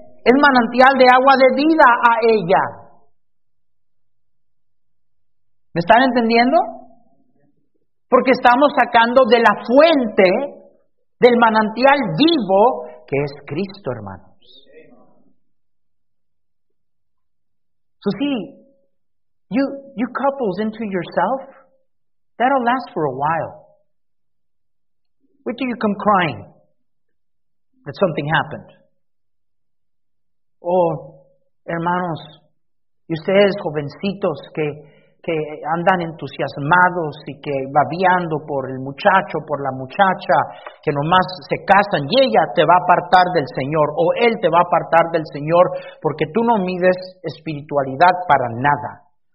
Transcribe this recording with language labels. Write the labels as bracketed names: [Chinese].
[Spanish] Es manantial de agua de vida a ella. ¿Me están entendiendo? Porque estamos sacando de la fuente, del manantial vivo, que es Cristo, hermano. [English] So see, you couples into yourself, that'll last for a while. Wait till you come crying that something happened. [Spanish] Oh, hermanos, y ustedes jovencitos que andan entusiasmados y que babeando por el muchacho, por la muchacha, que nomás se casan, y ella te va a apartar del Señor, o él te va a apartar del Señor, porque tú no mides espiritualidad para nada.